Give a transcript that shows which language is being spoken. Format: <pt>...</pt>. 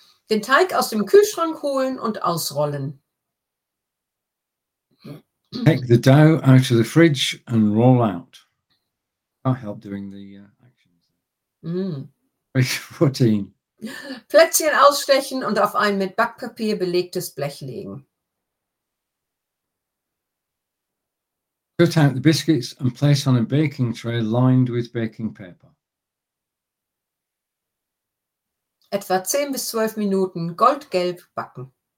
<de>Den Teig aus dem Kühlschrank holen und ausrollen.</de> <en>Take the dough out of the fridge and roll out. I'll help doing the actions. Page 14.</en> <de>Plätzchen ausstechen und auf ein mit Backpapier belegtes Blech legen.</de> <en>Cut out the biscuits and place on a baking tray lined with baking paper.</en> <de>Etwa 10 bis 12 Minuten goldgelb backen.</de>